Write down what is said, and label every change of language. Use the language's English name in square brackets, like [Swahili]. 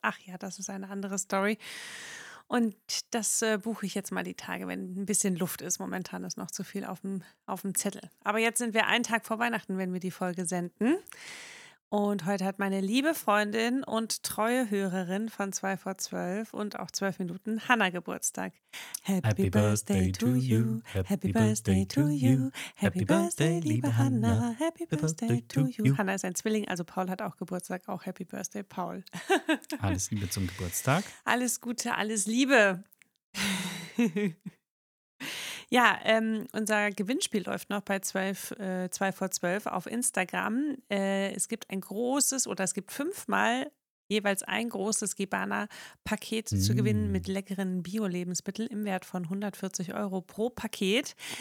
[German] Ach ja, das ist eine andere Story. Und das buche ich jetzt mal die Tage, wenn ein bisschen Luft ist. Momentan ist noch zu viel auf dem Zettel. Aber jetzt sind wir einen Tag vor Weihnachten, wenn wir die Folge senden. Und heute hat meine liebe Freundin und treue Hörerin von 2 vor 12 und auch 12 Minuten Hannah Geburtstag. [English] Happy Birthday to you, happy Birthday to you, happy Birthday, [German] liebe Hannah, [English] happy Birthday to you. [German] Hannah ist ein Zwilling, also Paul hat auch Geburtstag, auch Happy Birthday, Paul. Alles Liebe zum Geburtstag. Alles Gute, alles Liebe. Ja, unser Gewinnspiel läuft noch bei 2 vor 12 auf Instagram. Es gibt ein großes oder es gibt fünfmal jeweils ein großes Gebana-Paket zu gewinnen mit leckeren Bio-Lebensmitteln im Wert von 140 Euro pro Paket.